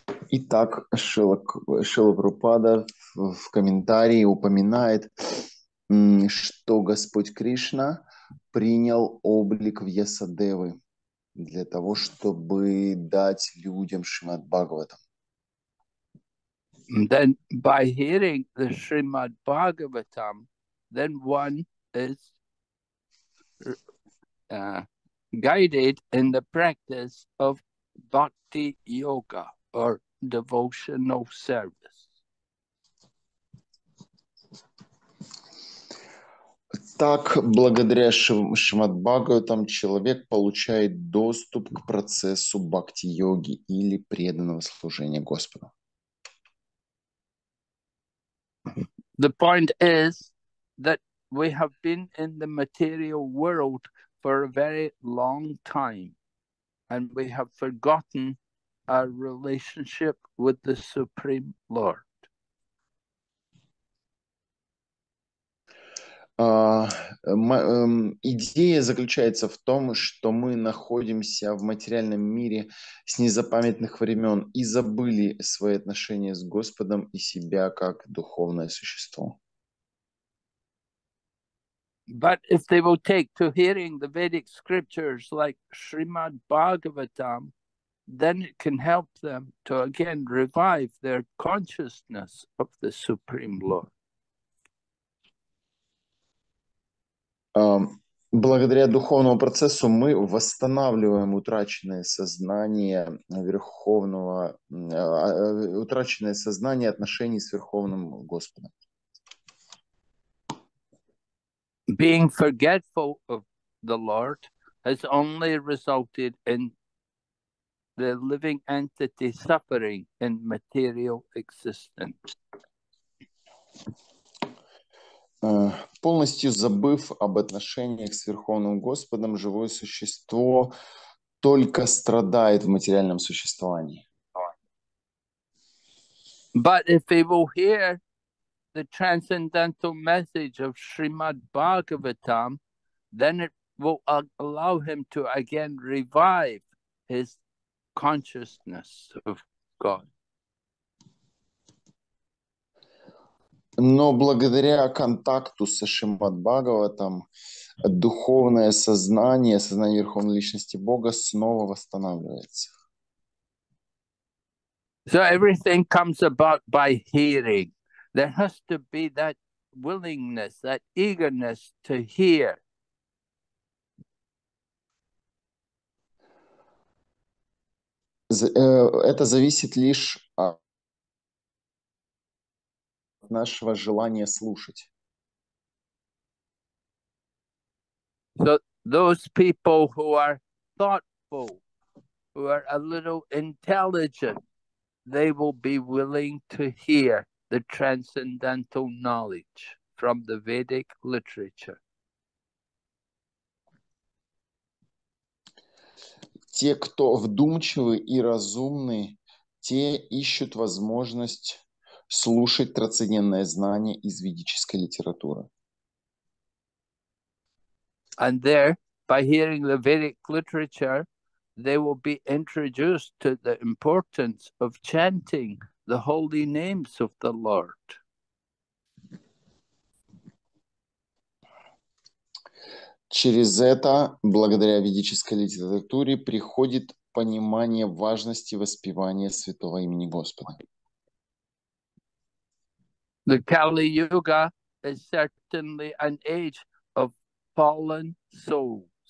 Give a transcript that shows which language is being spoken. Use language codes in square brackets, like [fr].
[ru] Итак, Шрила Прабхупада в комментарии упоминает, что Господь Кришна принял облик Вьясадевы для того, чтобы дать людям Шримад Бхагаватам. [en] Then by hearing the Srimad Bhagavatam, then one is guided in the practice of bhakti yoga or devotional service. [ru] Так, благодаря Шримад Бхагаватам человек получает доступ к процессу бхакти-йоги или преданного служения Господу. [en] The point is that we have been in the material world for a very long time, and we have forgotten our relationship with the Supreme Lord. [ru] Идея заключается в том, что мы находимся в материальном мире с незапамятных времен и забыли свои отношения с Господом и себя как духовное существо. [en] But if they will take to hearing the Vedic scriptures like Srimad Bhagavatam, then it can help them to again revive their consciousness of the Supreme Lord. [ru] Благодаря духовному процессу мы восстанавливаем утраченное сознание Верховного, утраченное сознание отношений с Верховным Господом. [en] Being forgetful of the Lord has only resulted in the living entity suffering in material existence. [ru] Полностью забыв об отношениях с Верховным Господом, живое существо только страдает в материальном существовании. [en] But if we will hear the transcendental message of Srimad Bhagavatam, then it will allow him to again revive his consciousness of God. [ru] Но благодаря контакту со Шримад Бхагаватам духовное сознание, сознание Верховной Личности Бога снова восстанавливается. [en] So everything comes about by hearing. There has to be that willingness, that eagerness to hear. [ru] Это зависит лишь от нашего желания слушать. [en] So those people who are thoughtful, who are a little intelligent, they will be willing to hear the transcendental knowledge from the Vedic literature. [ru] Те, кто вдумчивы и разумны, те ищут возможность слушать трансцендентное знание из ведической литературы. [en] And there, by hearing the Vedic literature, they will be introduced to the importance of chanting the holy names of the Lord. [ru] Через это, благодаря ведической литературе, приходит понимание важности воспевания святого имени Господа. [en] The Kali Yuga is certainly an age of fallen souls.